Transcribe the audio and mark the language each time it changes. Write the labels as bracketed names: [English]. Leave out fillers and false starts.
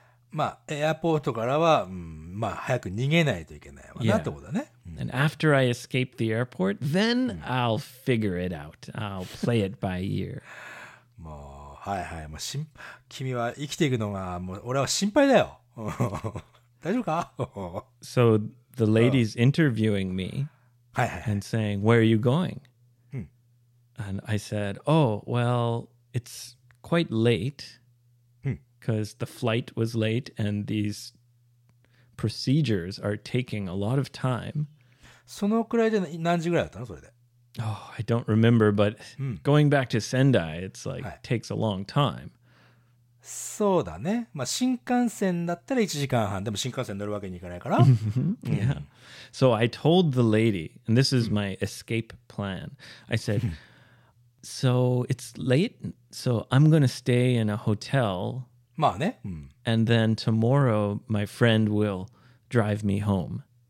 [Japanese] まあ、エアポートからは、うん、まあ、早く逃げないといけないわな、 [English] yeah. [Japanese] ってことだね。 [English] And after I escape the airport, then I'll figure it out. I'll play it by ear. [Japanese] もう、はいはい、もうしん、君は生きていくのが、もう、俺は心配だよ。大丈夫か [English] So, the lady's interviewing me and saying, where are you going? And I said, oh, well, it's quite late. Because the flight was late and these procedures are taking a lot of time. [Japanese] そのくらいで何時ぐらいだったのそれで [English] Oh, I don't remember, but、うん、going back to Sendai, it's like,、はい、takes a long time. [Japanese] そうだね。まあ新幹線だったら1時間半。でも新幹線乗るわけにいかないから。 [English] yeah. So I told the lady, and this is my escape plan. I said, so it's late, so I'm going to stay in a hotel... [Japanese] まあねうん、 [English] and then tomorrow, my friend will drive me home.